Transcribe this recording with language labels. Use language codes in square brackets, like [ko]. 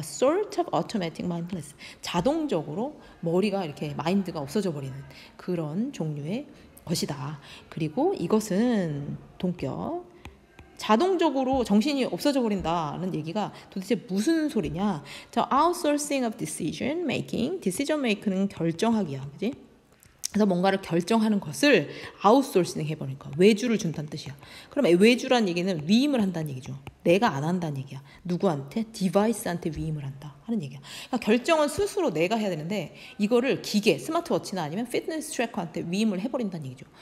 [en] A sort of automatic mindless. [ko] 자동적으로 머리가 이렇게 마인드가 없어져 버리는 그런 종류의 것이다. 그리고 이것은 동격. 자동적으로 정신이 없어져 버린다는 얘기가 도대체 무슨 소리냐? [en] The outsourcing of decision making. [ko] decision making은 결정하기야. 그지? 그래서 뭔가를 결정하는 것을 아웃소싱 해버리니까 외주를 준다는 뜻이야. 그럼 외주란 얘기는 위임을 한다는 얘기죠. 내가 안 한다는 얘기야. 누구한테? 디바이스한테 위임을 한다 하는 얘기야. 그러니까 결정은 스스로 내가 해야 되는데 이거를 기계, 스마트워치나 아니면 피트니스 트래커한테 위임을 해버린다는 얘기죠.